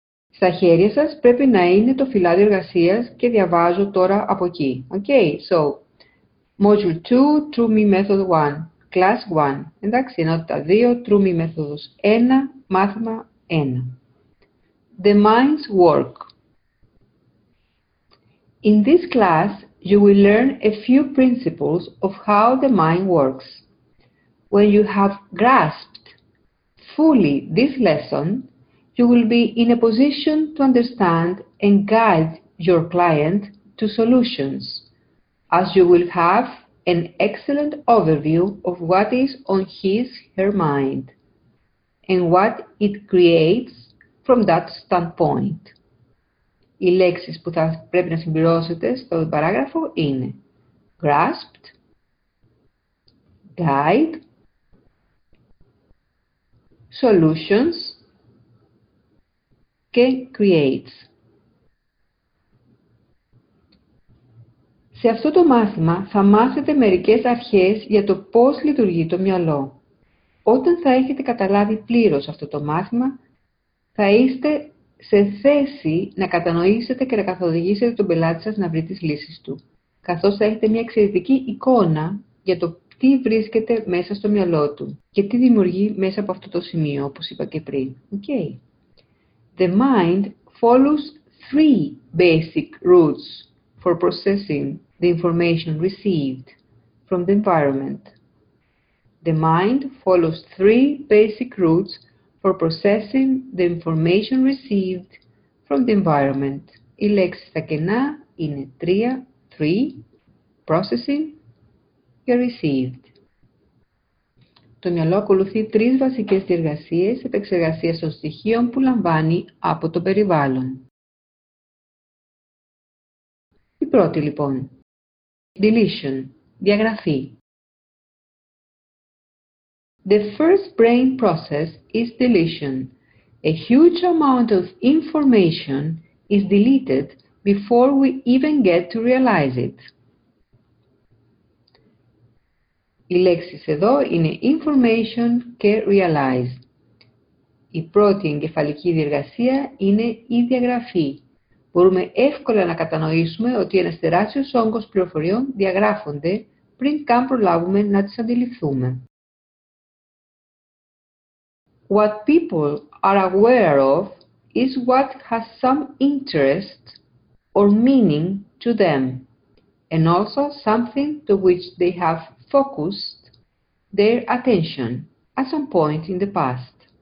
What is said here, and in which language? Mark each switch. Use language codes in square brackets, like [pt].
[el] Στα χέρια σας πρέπει να είναι το φυλάδιο εργασίας και διαβάζω τώρα από εκεί. [en] Okay, so, Module 2, True Me Method 1, Class 1. [el] Εντάξει, ενότητα 2, True Me Methods 1, μάθημα 1. [en] The Mind's Work. In this class, you will learn a few principles of how the mind works. When you have grasped fully this lesson, you will be in a position to understand and guide your client to solutions, as you will have an excellent overview of what is on his/her mind and what it creates from that standpoint. [el] Οι λέξεις που θα πρέπει να συμπληρώσετε στο παράγραφο είναι grasped, guide, solutions, και creates. Σε αυτό το μάθημα θα μάθετε μερικές αρχές για το πώς λειτουργεί το μυαλό. Όταν θα έχετε καταλάβει πλήρως αυτό το μάθημα, θα είστε σε θέση να κατανοήσετε και να καθοδηγήσετε τον πελάτη σας να βρει τις λύσεις του, καθώς θα έχετε μια εξαιρετική εικόνα για το τι βρίσκεται μέσα στο μυαλό του και τι δημιουργεί μέσα από αυτό το σημείο, όπως είπα και πριν. [en] Okay. The mind follows three basic routes for processing the information received from the environment. The mind follows three basic routes for processing the information received from the environment. [el] Οι λέξεις στα κενά είναι τρία, three, processing και received. Το μυαλό ακολουθεί τρεις βασικές διεργασίες επεξεργασίας των στοιχείων που λαμβάνει από το περιβάλλον. Η πρώτη λοιπόν. Deletion. Διαγραφή. [en] The first brain process is deletion. A huge amount of information is deleted before we even get to realize it. [el] Οι λέξεις εδώ είναι information και realize. Η πρώτη εγκεφαλική διεργασία είναι η διαγραφή. Μπορούμε εύκολα να κατανοήσουμε ότι ένας τεράστιος όγκος πληροφοριών διαγράφονται πριν καν προλάβουμε να τις αντιληφθούμε. [en] What people are aware of is what has some interest or meaning to them and also something to which they have focused their attention at some point in the past.